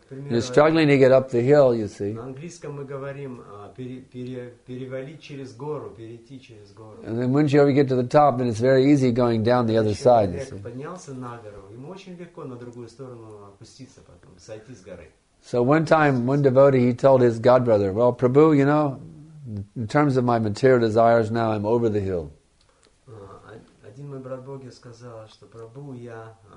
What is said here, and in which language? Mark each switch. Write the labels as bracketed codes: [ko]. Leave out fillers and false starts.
[en] You're struggling to get up the hill, you see. [ru] На английском мы говорим перевалить через гору, перейти через гору. [en] And then once you get to the top, then it's very easy going down the other side. [ru] Поднялся на гору, ему очень легко на другую сторону опуститься потом, сойти с горы. [en] So one time, one devotee, he told his godbrother, "Well, Prabhu, you know, in terms of my material desires now, I'm over the hill." [ru] Один мой брат Боги сказал, что Прабху, я